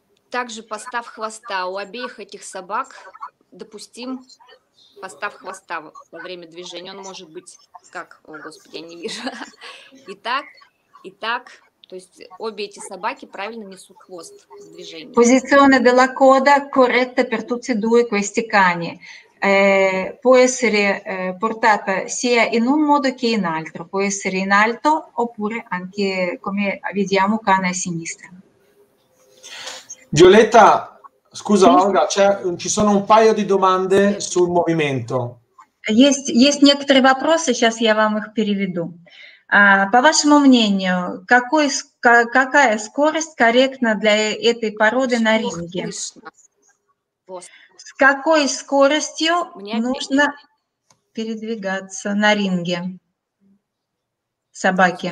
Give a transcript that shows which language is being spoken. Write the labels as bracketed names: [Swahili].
[Russian] Также постав хвоста у обеих этих собак допустим, постав хвоста во время движения, он может быть как, о господи, я не вижу, и так, то есть обе эти собаки правильно несут хвост в движении. [Italian] Posizione della coda corretta per tutti e due questi cani. Può essere portata sia in un modo che in altro, può essere in alto oppure anche come vediamo cane a sinistra. Violetta, scusa Olga, ci sono un paio di domande sul movimento. [Russian] Есть некоторые вопросы, сейчас я вам их переведу. По вашему мнению, какая скорость корректна для этой породы на ринге? С какой скоростью нужно передвигаться на ринге собаке?